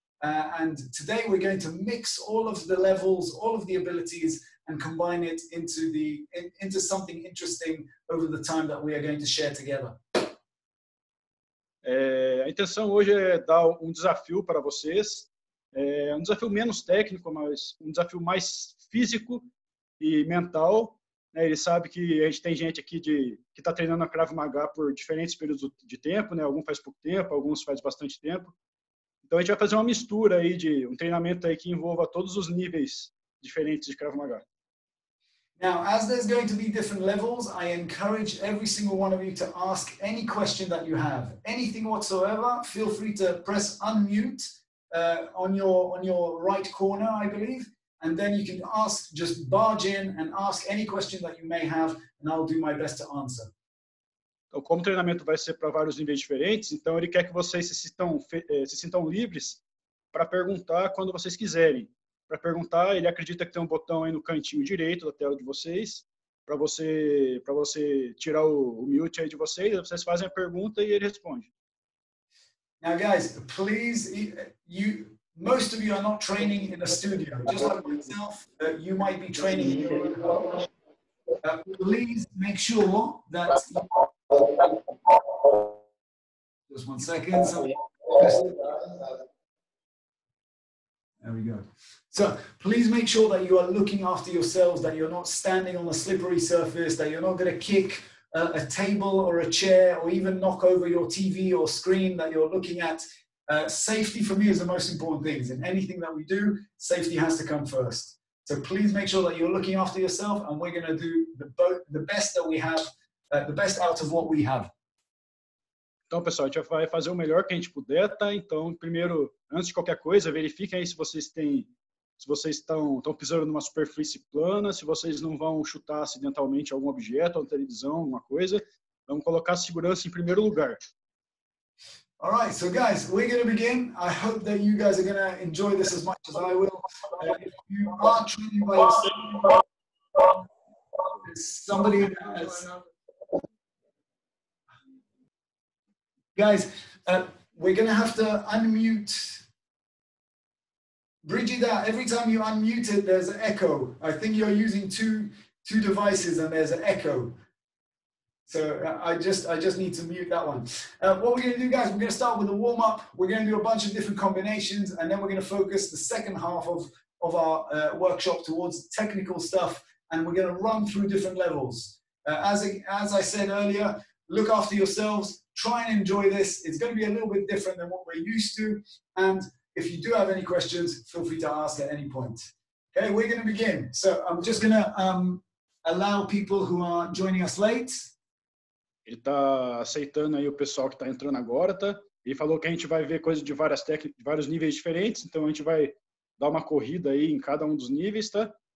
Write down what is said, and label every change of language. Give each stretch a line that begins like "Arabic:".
English: And today we're going to mix all of the levels, all of the abilities, and combine it into something interesting over the time that we are going to share together.
Portuguese: A intenção hoje é dar um desafio para vocês, um desafio menos técnico, mas um desafio mais físico e mental. Né? Ele sabe que a gente tem gente aqui que está treinando a Krav Maga por diferentes períodos de tempo, né? Alguns faz pouco tempo, alguns faz bastante tempo. Então a gente vai fazer uma mistura aí de um treinamento aí que envolva todos os níveis diferentes de Krav Maga.
English: Now, as there's going to be different levels, I encourage every single one of you to ask any question that you have. Anything whatsoever, feel free to press unmute on your right corner, I believe. And then you can ask, just barge in and ask any question that you may have, and I'll do my best to answer.
Portuguese: Então, como o treinamento vai ser para vários níveis diferentes, então ele quer que vocês se sintam livres para perguntar quando vocês quiserem. Para perguntar, ele acredita que tem um botão aí no cantinho direito da tela de vocês, para você tirar o mute aí de vocês, vocês fazem a pergunta e ele responde.
English: Now guys, please, most of you are not training in a studio, just like myself, you might be training in your own home. Please make sure that... Just one second. There we go. So please make sure that you are looking after yourselves, that you're not standing on a slippery surface, that you're not going to kick a table or a chair or even knock over your TV or screen that you're looking at. Safety for me is the most important thing. In anything that we do, safety has to come first. So please make sure that you're looking after yourself, and we're going to do the best that we have, the best out of what we have.
Portuguese: Então, pessoal, a gente vai fazer o melhor que a gente puder, tá? Então, primeiro, antes de qualquer coisa, verifiquem aí se vocês têm, se vocês estão pisando numa superfície plana, se vocês não vão chutar acidentalmente algum objeto, uma televisão, alguma coisa. Vamos colocar a segurança em primeiro lugar.
English: All right, so guys, we're going to begin. I hope that you guys are going to enjoy this as much as I will. If you are training by yourself, somebody has... Guys, we're going to have to unmute. Brigida, every time you unmute it, there's an echo. I think you're using two devices and there's an echo. So I just need to mute that one. What we're going to do, guys, we're going to start with a warm-up. We're going to do a bunch of different combinations, and then we're going to focus the second half of our workshop towards technical stuff, and we're going to run through different levels. As I said earlier, look after yourselves. Try and enjoy this. It's going to be a little bit different than what we're used to. And if you do have any questions, feel free to ask at any point. Okay, we're going to begin. So I'm just going to allow people who are joining us late.
Portuguese: Ele está aceitando aí o pessoal que está entrando agora, tá? E falou que a gente vai ver coisas de várias técnicas, de vários níveis diferentes, então a gente vai dar uma corrida aí em cada um dos níveis, tá?